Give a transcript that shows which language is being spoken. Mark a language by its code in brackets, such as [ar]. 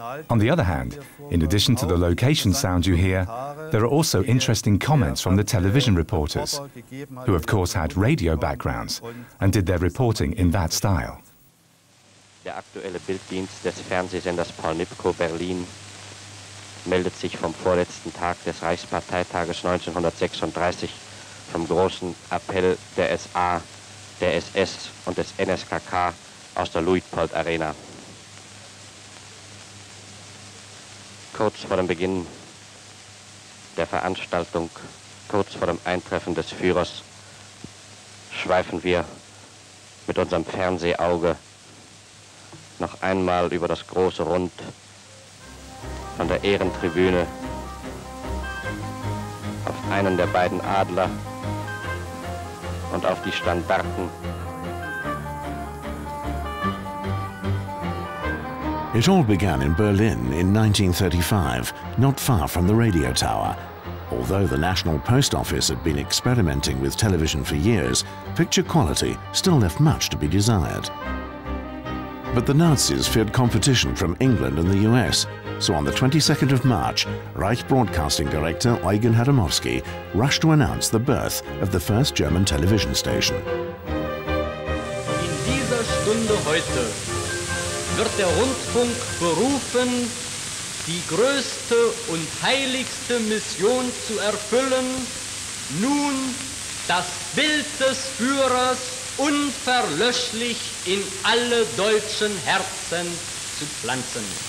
[en] On the other hand, in addition to the location sound you hear, there are also interesting comments from the television reporters, who of course had radio backgrounds and did their reporting in that style. [de] Der aktuelle Bilddienst des Fernsehsenders Paul Nipkow Berlin meldet sich vom vorletzten Tag des Reichsparteitages 1936 vom großen Appell der SA, der SS und des NSKK aus der Luitpold Arena. Kurz vor dem Beginn der Veranstaltung, kurz vor dem Eintreffen des Führers, schweifen wir mit unserem Fernsehauge noch einmal über das große Rund von der Ehrentribüne auf einen der beiden Adler und auf die Standarten. [en] It all began in Berlin in 1935, not far from the radio tower. Although the National Post Office had been experimenting with television for years, picture quality still left much to be desired. But the Nazis feared competition from England and the US, so on the 22nd of March, Reich Broadcasting Director Eugen Hadamowski rushed to announce the birth of the first German television station. [de] In dieser Stunde heute wird der Rundfunk berufen, die größte und heiligste Mission zu erfüllen, nun das Bild des Führers unverlöschlich in alle deutschen Herzen zu pflanzen.